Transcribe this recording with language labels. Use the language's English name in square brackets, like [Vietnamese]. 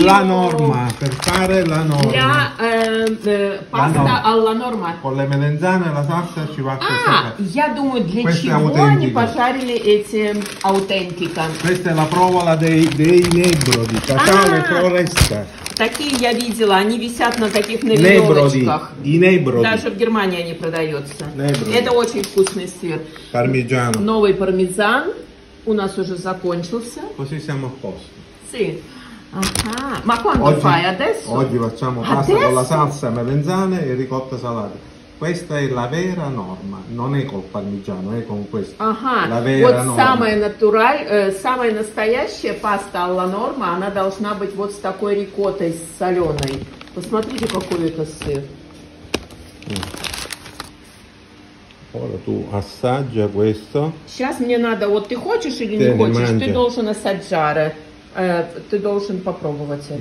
[Italian] la norma, per fare la norma. La pasta la norma. Alla norma. Con le melanzane e la salsa ci va a questa. Questa è la provola dei nebrodi, Natale Floresta. [Russian] Такие я видела, они висят на таких навесочках. Нейброди. Даже в Германии они продаются. Nebrodi. Это очень вкусный сыр. Пармезан. Новый пармезан. У нас уже закончился. [Italian] Così siamo a posto. Sì. Ma quando oggi, fai adesso? Oggi facciamo pasta adesso? Con la salsa melanzane e ricotta salata. Questa è la vera norma. Non è col parmigiano, è con questo. La vera вот norma. [Russian] Самая натуральная, самая настоящая паста alla norma, она должна быть вот с такой рикоттой соленой. Посмотрите, какой это сыр. [Italian] Ora tu assaggia questo. [Russian] Сейчас мне надо, вот ты хочешь или не хочешь, ты должен [Italian] assaggiare, [Russian] ты должен попробовать это.